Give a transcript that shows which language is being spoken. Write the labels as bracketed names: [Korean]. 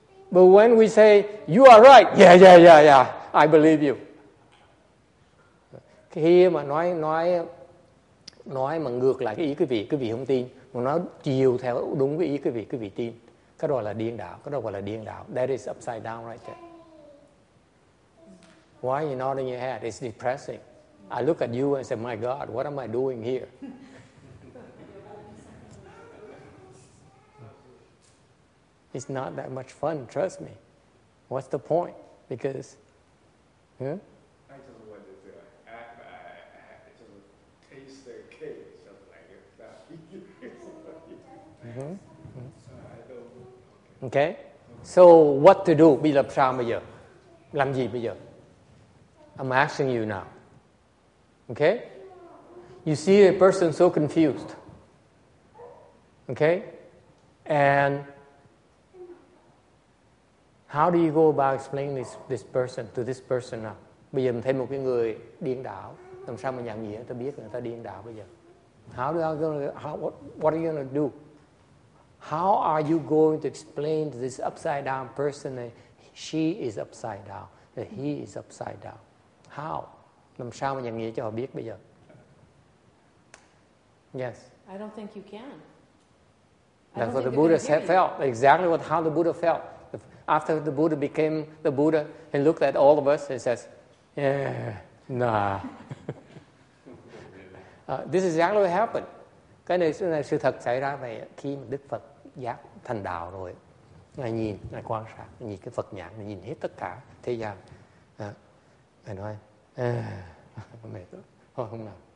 [English] But when we say, you are right, yeah, I believe you. [Vietnamese] Khi mà nói mà ngược lại cái ý quý vị không tin, mà nó chiều theo đúng cái ý quý vị tin, cái đó là điên đảo, cái đó gọi là điên đảo. [English] That is upside down right there. Why you nodding your head? It's depressing. I look at you and say, my God, what am I doing here? It's not that much fun, trust me. What's the point? Because, I just want to do it. I just taste the cake, something like that. Okay. So, what to do? [Vietnamese] Bây giờ sao bây giờ? [English] Làm gì bây giờ? I'm asking you now. Okay? You see a person so confused. Okay? And how do you go about explaining this person to this person now? [Vietnamese] Bây giờ mình thấy một cái người điên đảo, làm sao mà nhận nghĩa? Tôi biết người ta điên đảo bây giờ. [English] What are you gonna do? How are you going to explain to this upside down person that she is upside down, that he is upside down? How? [Vietnamese] Làm sao mà nhận nghĩa cho họ biết bây giờ? [English] Yes. I don't think you can. That's what the Buddha said, felt. Exactly what how the Buddha felt. After the Buddha became the Buddha, he looked at all of us and says, yeah, nah. this is exactly what happened. [Vietnamese] Cái này sự thật xảy ra về khi mà Đức Phật giác thành đạo rồi. Ngài nhìn, ngài quan sát, ngài nhìn cái Phật nhãn, ngài nhìn hết tất cả thế gian. Ngài nói, mệt lắm, thôi không nào.